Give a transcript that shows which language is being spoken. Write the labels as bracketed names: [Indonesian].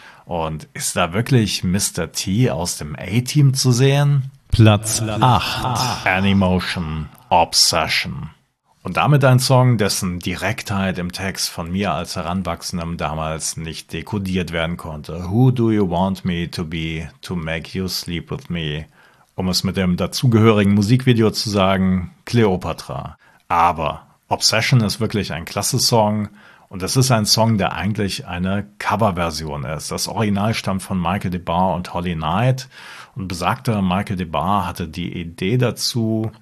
[German] Und ist da wirklich Mr. T aus dem A-Team zu sehen? Platz 8. Animotion Obsession. Und damit ein Song, dessen Direktheit im Text von mir als Heranwachsendem damals nicht dekodiert werden konnte. [English] Who do you want me to be to make you sleep with me? [German] Um es mit dem dazugehörigen Musikvideo zu sagen, Cleopatra. Aber Obsession ist wirklich ein klasse Song Und das ist ein Song, der eigentlich eine Coverversion ist. Das Original stammt von Michael DeBar und Holly Knight. Und besagter Michael DeBar hatte die Idee dazu.